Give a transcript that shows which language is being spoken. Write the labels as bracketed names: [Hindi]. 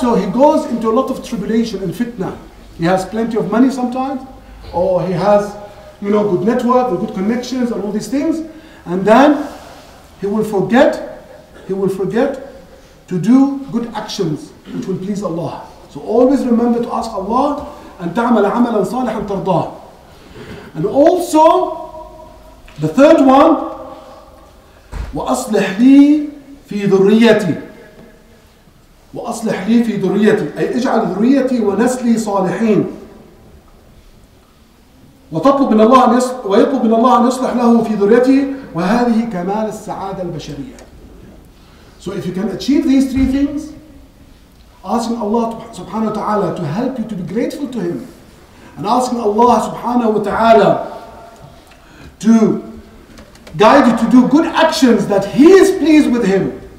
[English] So he goes into a lot of tribulation and fitna. He has plenty of money sometimes, or he has, you know, good network, good connections, and all these things. And then he will forget to do good actions, which will please Allah. So always remember to ask Allah, [Arabic] أن تعمل عملا صالحا ترضاه. [English] And also, the third one, [Arabic] وأصلح لي في ذريتي. وأصلح لي في ذريتي. أي اجعل ذريتي ونسلي صالحين. وتطلب من الله أن ويطلب من الله أن يصلح له في ذريتي وهذه كمال السعادة البشرية. [English] So if you can achieve these three things, asking Allah subhanahu wa ta'ala to help you to be grateful to Him. And asking Allah subhanahu wa ta'ala to guide you to do good actions that He is pleased with Him.